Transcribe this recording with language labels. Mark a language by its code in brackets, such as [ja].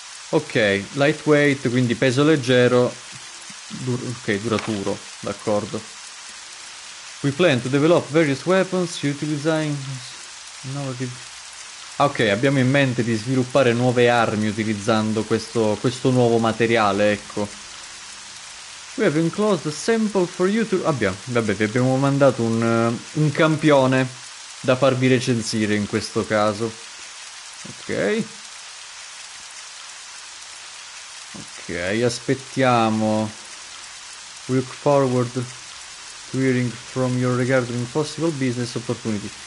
[it] Ok, lightweight, quindi peso leggero, duraturo, d'accordo. [en] We plan to develop various weapons utilizing innovative... [it] ok, abbiamo in mente di sviluppare nuove armi utilizzando questo nuovo materiale, ecco. [en] We have enclosed a sample for you to... [it] vi abbiamo mandato un campione da farvi recensire in questo caso. Ok. Ok, aspettiamo. [en] We look forward to hearing from your regarding possible business opportunity.